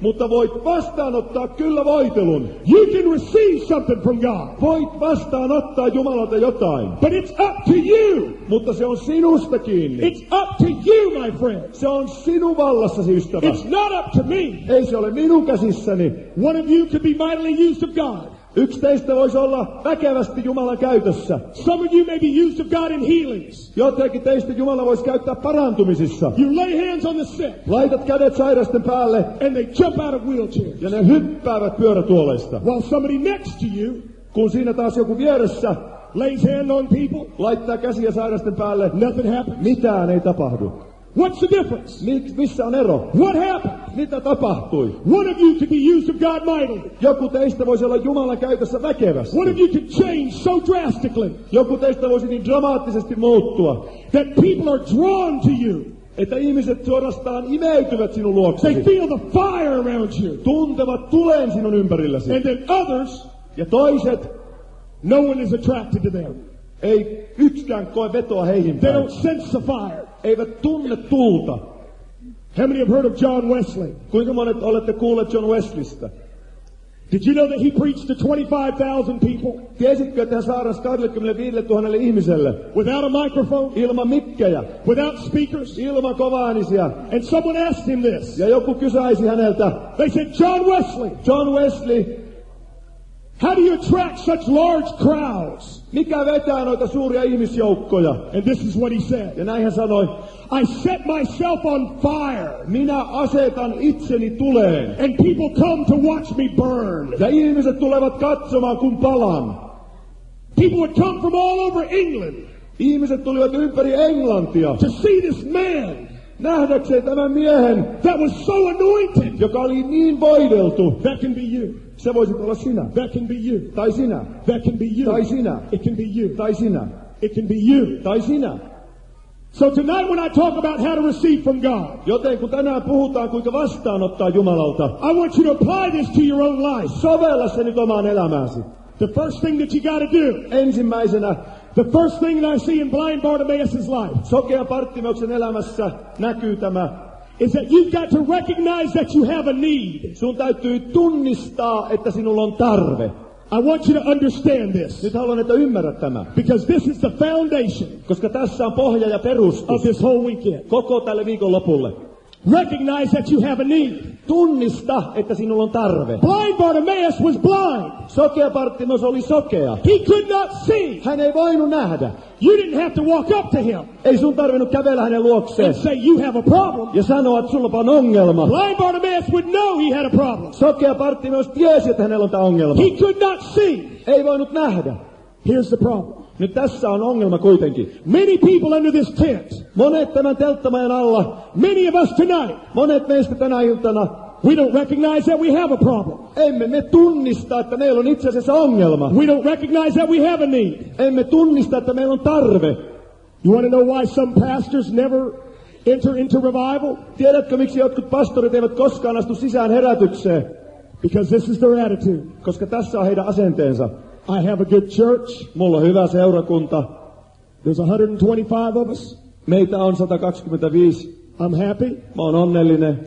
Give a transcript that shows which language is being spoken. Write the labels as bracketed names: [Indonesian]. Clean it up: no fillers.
[Finnish] Mutta voit vastaanottaa kyllä voitelun. [English] You can receive something from God. [Finnish] Voit vastaanottaa Jumalalta jotain. [English] But it's up to you. [Finnish] Mutta se on sinusta kiinni. [English] It's up to you, my friend. [Finnish] Se on sinun vallassasi, ystävä. [English] It's not up to me. [Finnish] Ei se ole minun käsissäni. [English] One of you can be mightily used of God. [Finnish] Yksi teistä voisi olla väkevästi Jumalan käytössä. [English] Some of you may be used of God in healings. [Finnish] Jotenkin teistä Jumala voisi käyttää parantumisissa. [English] You lay hands on the sick. [Finnish] Laitat kädet sairasten päälle. [English] And they jump out of wheelchairs. [Finnish] Ja ne hyppäävät pyörätuoleista. [English] While somebody next to you. [Finnish] Kun siinä taas joku vieressä. [English] Lays hand on people. [Finnish] Laittaa käsiä sairasten päälle. [English] Nothing happens. [Finnish] Mitään ei tapahdu. [English] What's the difference? [Finnish] Missä on ero? [English] What happened? [Finnish] Mitä tapahtui? [English] One of you could be used of God mightily. [Finnish] Joku teistä voisi olla Jumalan käytössä väkevästi. [English] One of you could change so drastically. [Finnish] Joku teistä voisi niin dramaattisesti muuttua. [English] That people are drawn to you. [Finnish] Että ihmiset suorastaan imeytyvät sinun luoksesi. [English] They feel the fire around you. [Finnish] Tuntevat tulen sinun ympärilläsi. [English] And then others. [Finnish] Ja toiset. [English] No one is attracted to them. [Finnish] Ei yksikään koe vetoa heihin. [English] They don't sense the fire. [Finnish] Eivät tunne tulta. [English] How many have heard of John Wesley? [Finnish] Kuinka monet olette kuulleet John Wesleystä? [English] Did you know that he preached to 25,000 people? [Finnish] Tiesitkö, että hän saarnasi 25 000 ihmiselle? [English] Without a microphone? [Finnish] Ilman mikkejä. [English] Without speakers? [Finnish] Ilman kovaäänisiä. [English] And someone asked him this. [Finnish] Ja joku kysäisi häneltä. [English] They said, John Wesley. [Finnish] John Wesley. [English] How do you attract such large crowds? [Finnish] Mikä vetää noita suuria ihmisjoukkoja? [English] And this is what he said. [Finnish] Ja näin hän sanoi. [English] I set myself on fire. [Finnish] Minä asetan itseni tuleen. [English] And people come to watch me burn. [Finnish] Ja ihmiset tulevat katsomaan kun palan. [English] People would come from all over England. [Finnish] Ihmiset tulivat ympäri Englantia. [English] To see this man. [Finnish] Nähdäkseen tämän miehen. [English] That was so anointed. [Finnish] Joka oli niin voideltu. [English] That can be you. [Finnish] Se voisit olla sinä. [English] That can be you. [Finnish] Tai sinä. [English] That can be you. [Finnish] Tai sinä. [English] It can be you. [Finnish] Tai sinä. [English] It can be you. [Finnish] Tai sinä. [English] So tonight when I talk about how to receive from God. [Finnish] Joten kun tänään puhutaan kuinka vastaanottaa Jumalalta. [English] I want you to apply this to your own life. [Finnish] Sovella se nyt omaan elämääsi. [English] The first thing that you got to do. [Finnish] Ensimmäisenä. [English] The first thing that I see in blind Bartimaeus's life. [Finnish] Sokean Bartimaeuksen elämässä näkyy tämä. [English] Is that you've got to recognize that you have a need. [Finnish] Sun täytyy tunnistaa, että sinulla on tarve. [English] I want you to understand this. [Finnish] Nyt haluan, että ymmärrät tämän. [English] Because this is the foundation. [Finnish] Koska tässä on pohja ja perustus. [English] Of this whole weekend. [Finnish] Koko tälle viikonlopulle. [English] Recognize that you have a need. [Finnish] Tunnista, että sinulla on tarve. [English] Blind Bartimaeus was blind. [Finnish] Sokea Bartimaeus oli sokea. [English] He could not see. [Finnish] Hän ei voinut nähdä. [English] You didn't have to walk up to him. [Finnish] Ei sun tarvinnut kävellä hänen luokseen. [English] And say you have a problem. [Finnish] Ja sanoa, että sulla on ongelma. [English] Blind Bartimaeus would know he had a problem. [Finnish] Sokea Bartimaeus tiesi, että hänellä on tämä ongelma. [English] He could not see. [Finnish] Ei voinut nähdä. [English] Here's the problem. [Finnish] Nyt tässä on ongelma kuitenkin. [English] Many people under this tent. [Finnish] Monet tämän telttamajan alla. [English] Many of us tonight. [Finnish] Monet meistä tänä iltana. [English] We don't recognize that we have a problem. [Finnish] Emme me tunnista, että meillä on itse asiassa ongelma. [English] We don't recognize that we have a need. [Finnish] Emme tunnista, että meillä on tarve. [English] You want to know why some pastors never enter into revival? [Finnish] Tiedätkö, miksi jotkut pastorit eivät koskaan astu sisään herätykseen? [English] Because this is their attitude. [Finnish] Koska tässä on heidän asenteensa. [English] I have a good church. [Finnish] Mulla on hyvä seurakunta. [English] There's 125 of us. [Finnish] Meitä on 125. [English] I'm happy. [Finnish] Mä oon onnellinen.